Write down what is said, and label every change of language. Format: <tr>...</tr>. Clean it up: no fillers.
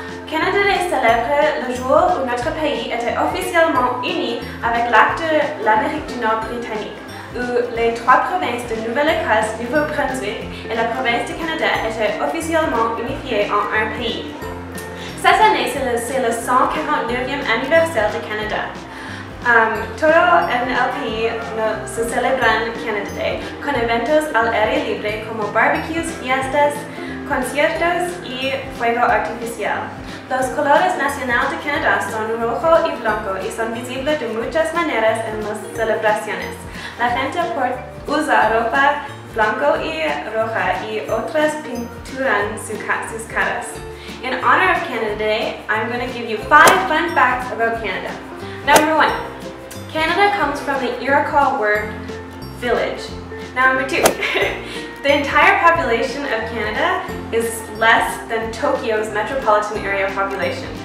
<fr>Canada Day célèbre le jour où notre pays était officiellement uni avec l'acte de l'Amérique du Nord britannique, où les trois provinces de Nouvelle-Écosse, Nouveau-Brunswick et la province du Canada étaient officiellement unifiées en un pays. Cette année, c'est le 149e anniversaire du Canada.</fr> <es>Todo en el país se celebran Canada Day, con eventos al aire libre como barbecues, fiestas, conciertos y fuego artificial. Los colores nacionales de Canadá son rojo y blanco y son visibles de muchas maneras en las celebraciones. La gente usa ropa blanco y roja y otras pinturan sus caras.</es> <en>In honor of Canada Day, I'm going to give you 5 fun facts about Canada. Number 1. Canada comes from the Iroquois word village. Number 2. The entire population of Canada is less than Tokyo's metropolitan area population.</en>